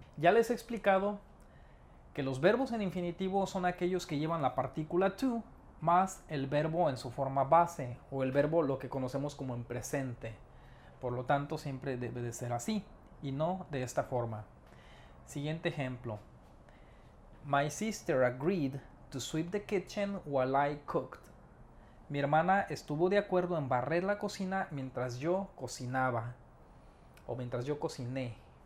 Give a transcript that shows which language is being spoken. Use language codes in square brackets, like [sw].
[es] Ya les he explicado que los verbos en infinitivo son aquellos que llevan la partícula to más el verbo en su forma base, o el verbo lo que conocemos como en presente. Por lo tanto, siempre debe de ser así y no de esta forma. Siguiente ejemplo. [en] My sister agreed to sweep the kitchen while I cooked. [es] Mi hermana estuvo de acuerdo en barrer la cocina mientras yo cocinaba, o mientras yo cociné.